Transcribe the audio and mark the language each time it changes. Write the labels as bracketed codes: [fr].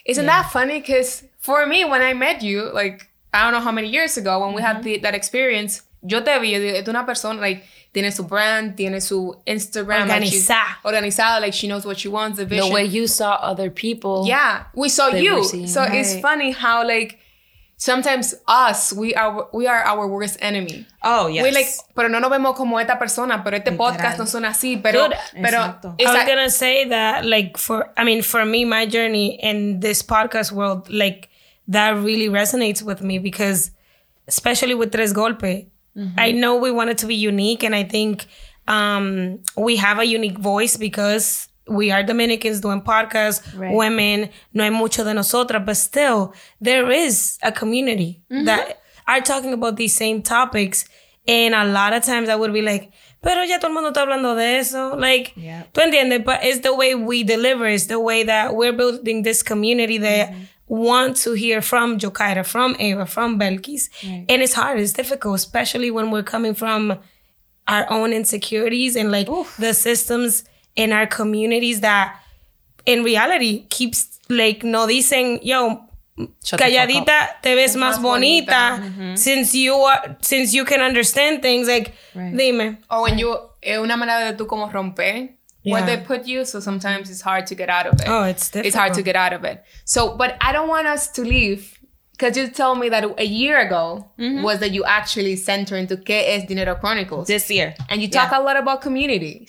[en] Isn't that funny? Because for me, when I met you, like, I don't know how many years ago when we mm-hmm. had that experience, [es] yo te vi, es una persona, [en] like, [es] tiene su brand, tiene su Instagram. Organizada, [en] like, she knows what she wants, the vision. The way you saw other people. Yeah, we saw you. So right. It's funny how, like, sometimes us, we are our worst enemy. Oh, yes. We're like, [es] pero no nos vemos como esta persona, pero este podcast no suena así, pero exacto. [en] I was going to say that, like, for me, my journey in this podcast world, like, that really resonates with me because, especially with Tres Golpes, mm-hmm. I know we want it to be unique. And I think we have a unique voice because we are Dominicans doing podcasts, right. Women, [es] no hay mucho de nosotras, [en] but still there is a community mm-hmm. that are talking about these same topics. And a lot of times I would be like, [es] pero ya todo el mundo está hablando de eso. [en] Like, yep. [es] ¿Tú entiendes? [en] But it's the way we deliver. It's the way that we're building this community that mm-hmm. want to hear from Jokaira, from Ava, from Belkis. Right. And it's hard, it's difficult, especially when we're coming from our own insecurities and like oof. The systems in our communities that in reality keeps like, [es] no dicen, yo, calladita, te ves más bonita. [en] Mm-hmm. Since you can understand things, like, right. [es] Dime. [en] Oh, when you, [es] es una manera de tú como romper. [en] Yeah. Where they put you, so sometimes it's hard to get out of it. Oh, it's difficult. It's hard to get out of it. So, but I don't want us to leave because you told me that a year ago mm-hmm. was that you actually centered into ¿Qué es Dinero Chronicles? This year. And you talk a lot about community.